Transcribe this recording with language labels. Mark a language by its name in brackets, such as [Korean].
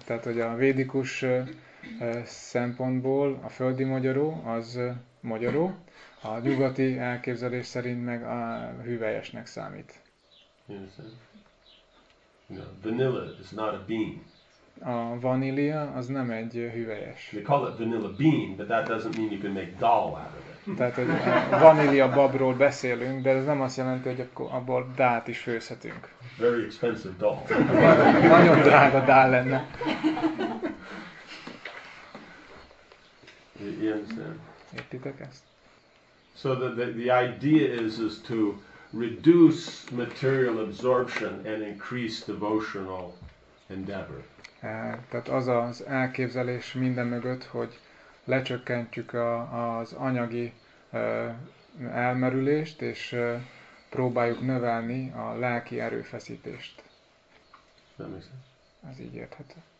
[Hungarian] Tehát, hogy a védikus szempontból a földi magyaró, az magyaró, a nyugati elképzelés szerint meg a hüvelyesnek számít. [English] You know, vanilla is not a bean. [Hungarian] A vanília az nem egy hüvelyes. [English] They call it vanilla bean, but that doesn't mean you can make dal out of it. [Hungarian] Tehát egy vanília babról beszélünk, de ez nem azt jelenti, hogy abból dalt is főzhetünk. [English] Very expensive dal. [Hungarian] Nagyon drága dal lenne. Értitek ezt? [English] So the idea is to reduce material absorption and increase devotional endeavor. [Hungarian] Tehát az az elképzelés minden mögött, hogy lecsökkentjük az anyagi elmerülést, és próbáljuk növelni a lelki erőfeszítést. [English] That makes sense. [Hungarian] Ez így érthető.